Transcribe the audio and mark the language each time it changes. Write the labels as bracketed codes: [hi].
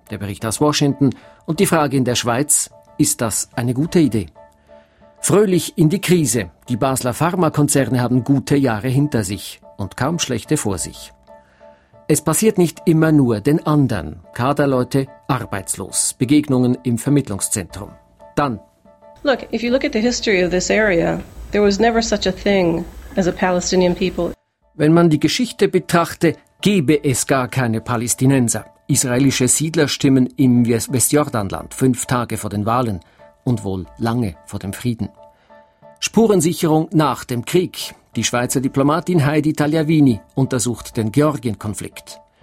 [de] Der Bericht aus Washington und die Frage in der Schweiz, ist das eine gute Idee? Fröhlich in die Krise. Die Basler Pharmakonzerne haben gute Jahre hinter sich und kaum schlechte vor sich. Es passiert nicht immer nur den anderen. Kaderleute arbeitslos. Begegnungen im Vermittlungszentrum. Dann. [en] Look, if you look at the history of this area, there was never such a thing. As a Palestinian people. [de] Wenn man die Geschichte betrachte, gäbe es gar keine Palästinenser. Israelische Siedlerstimmen im Westjordanland, 5 Tage vor den Wahlen und wohl lange vor dem Frieden. Spurensicherung nach dem Krieg. Die Schweizer Diplomatin Heidi Tagliavini untersucht den Georgien-Konflikt.